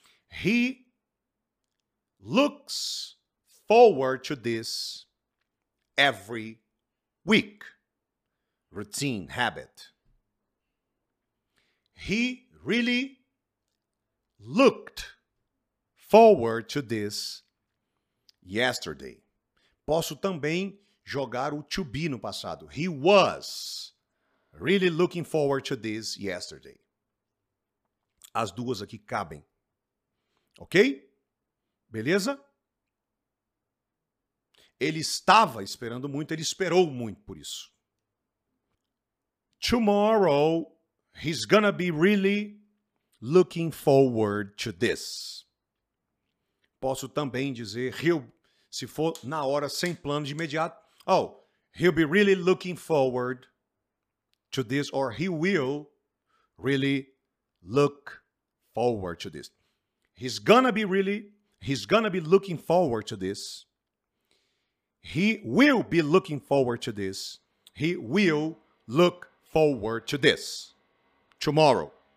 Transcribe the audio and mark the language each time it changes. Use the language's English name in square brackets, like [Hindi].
[English] He looks forward to this every week. Routine, habit. He really looked forward to this yesterday. [Portuguese] Posso também jogar o to be no passado. [English] He was really looking forward to this yesterday. [Portuguese] As duas aqui cabem. Ok? Beleza? Ele estava esperando muito, ele esperou muito por isso. [English] Tomorrow, he's gonna be really looking forward to this. [Portuguese] Posso também dizer, he'll, se for na hora, sem plano, de imediato. [English] Oh, he'll be really looking forward to this, or he will really look forward to this. He's gonna be looking forward to this. He will be looking forward to this. He will look forward to this. Tomorrow.